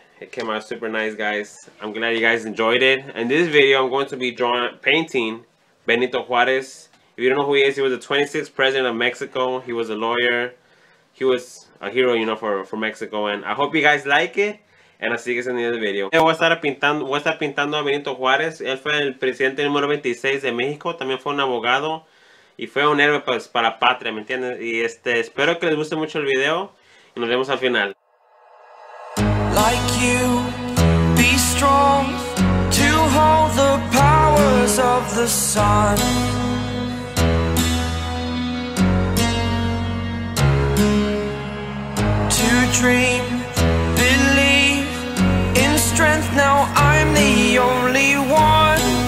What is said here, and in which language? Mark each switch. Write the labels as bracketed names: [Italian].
[English] It came out super nice, guys. I'm glad you guys enjoyed it. In this video, I'm going to be painting Benito Juarez. If you don't know who he was the 26th president of Mexico. He was a lawyer. He was a hero, you know, for Mexico. And I hope you guys like it. And I'll see you guys in the other video. [Spanish] Voy a estar pintando a Benito Juarez. Él fue el presidente número 26 de México. También fue un abogado. Y fue un héroe pues, para la patria, ¿me entiendes? Y espero que les guste mucho el video y nos vemos al final. [English] Like you, be strong to hold the powers of the sun. To dream, believe in strength, now I'm the only one.